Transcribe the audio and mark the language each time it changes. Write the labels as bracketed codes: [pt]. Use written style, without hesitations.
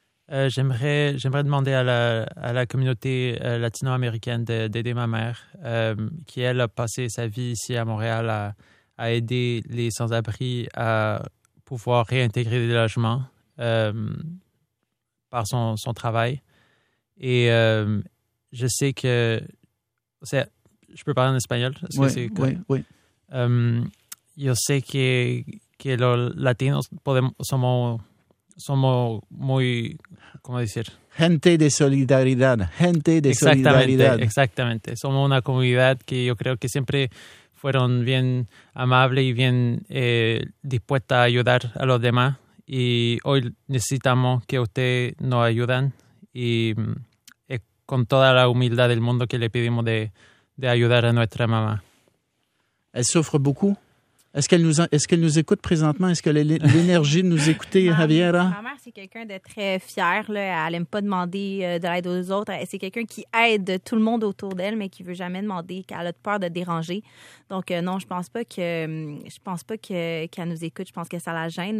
[fr] J'aimerais demander à la communauté latino-américaine d'aider ma mère, qui, elle, a passé sa vie ici à Montréal à aider les sans-abri à pouvoir réintégrer des logements par son travail. Et je sais que... je peux parler en espagnol? Oui. [es] Yo sé que los latinos somos muy... ¿Cómo decir? Gente de solidaridad. Exactamente. Somos una comunidad que yo creo que siempre... fueron bien amables y bien dispuestas a ayudar a los demás. Y hoy necesitamos que ustedes nos ayuden. Y es con toda la humildad del mundo que le pedimos de ayudar a nuestra mamá. [fr] ¿Elle souffre beaucoup? Est-ce qu'elle nous écoute présentement? Est-ce qu'elle a l'énergie de nous écouter, Javiera? Ma mère, c'est quelqu'un de très fier. Là. Elle n'aime pas demander de l'aide aux autres. C'est quelqu'un qui aide tout le monde autour d'elle, mais qui ne veut jamais demander, qu'elle a peur de déranger. Donc non, je pense pas qu'elle nous écoute. Je pense que ça la gêne.